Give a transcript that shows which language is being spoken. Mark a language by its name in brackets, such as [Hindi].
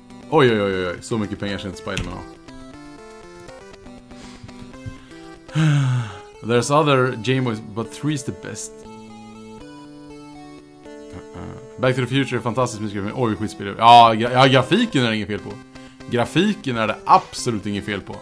[Swedish] Oj, så mycket pengar som inte Spider-Man har. [English] There's other Gameboys, but 3 is the best. [Swedish] Back to the Future är fantastiskt mycket grafik. Oj, skitspel. Ja, grafiken är det inget fel på. Grafiken är det absolut inget fel på.